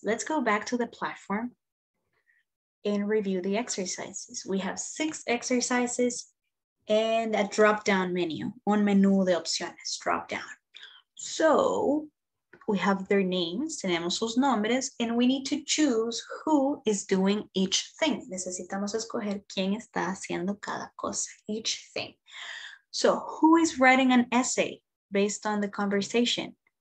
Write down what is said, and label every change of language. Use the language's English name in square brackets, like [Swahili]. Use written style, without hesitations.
[English] Let's go back to the platform and review the exercises. We have 6 exercises and a drop-down menu, [Spanish] un menú de opciones, [English] drop-down. So we have their names, [Spanish] tenemos sus nombres, [English] and we need to choose who is doing each thing. [Spanish] Necesitamos escoger quién está haciendo cada cosa, [English] each thing. So who is writing an essay based on the conversation?